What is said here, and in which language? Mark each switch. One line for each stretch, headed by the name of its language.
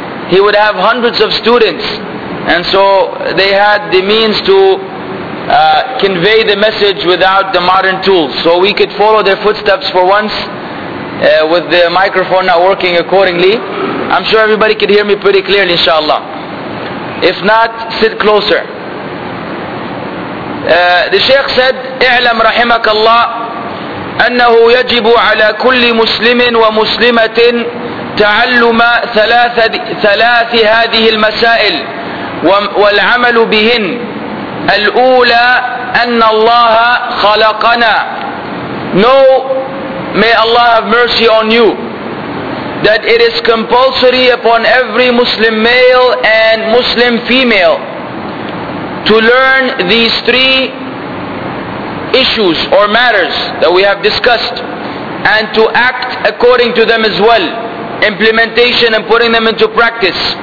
English: He would have hundreds of students. And so they had the means to convey the message without the modern tools. So we could follow their footsteps for once with the microphone not working accordingly. I'm sure everybody could hear me pretty clearly, inshallah. If not, sit closer. The Shaykh said,
Arabic: اعلم رحمك الله أنه يجب على كل مسلم ومسلمة تعلم ثلاث هذه المسائل والعمل بهن. الأولى أن الله خلقنا.
English: No, may Allah have mercy on you. That it is compulsory upon every Muslim male and Muslim female to learn these three issues or matters that we have discussed and to act according to them as well, implementation and putting them into practice.